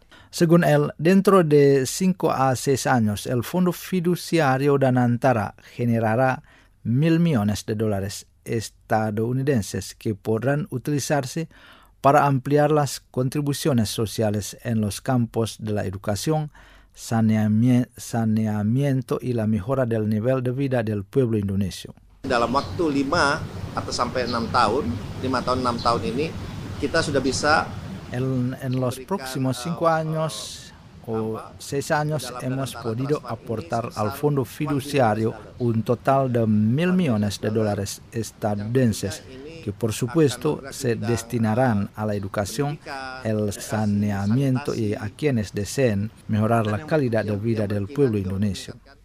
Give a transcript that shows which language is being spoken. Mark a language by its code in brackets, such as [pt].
[es] Según él, dentro de 5 a 6 años, el Fondo Fiduciario Danantara generará $1,000 millones estadounidenses que podrán utilizarse para ampliar las contribuciones sociales en los campos de la educación, saneamiento y la mejora del nivel de vida del pueblo indonesio. [id] Dalam waktu 5 atau sampai 6 tahun, 5 tahun 6 tahun ini kita sudah bisa [es] en los próximos 5 años o 6 años hemos podido aportar al Fondo Fiduciario un total de $1,000 millones estadounidenses que por supuesto se destinarán a la educación, el saneamiento y a quienes deseen mejorar la calidad de vida del pueblo indonesio.